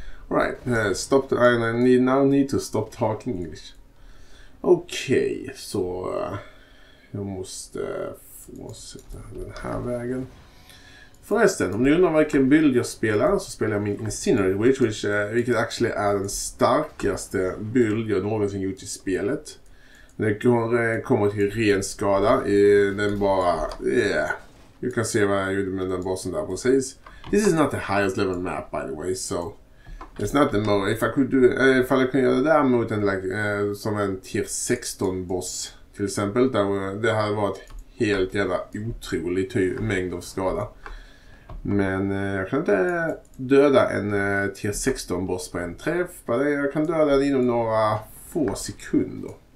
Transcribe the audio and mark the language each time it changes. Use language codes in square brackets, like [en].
[en] Right, stop, I now need to stop talking English. [sv] Okej, så jag måste få sätta den här vägen. Förresten, om ni undrar vilken bild jag spelar, så spelar jag min Incinerate Witch, vilket actually är den starkaste bild jag någonsin gjort i spelet. Den kommer till ren skada, den bara, [en] you can see [sv] vad jag gjorde med den bossen där precis. [en] This is not the highest level map by the way, so it's not the more. If I could [sv] göra det där mot en som en tier 16 boss till exempel, det hade varit helt jävla otrolig mängd av skada. Men jag kan inte döda en tier 16 boss på en träff, bara jag kan döda den inom några få sekunder.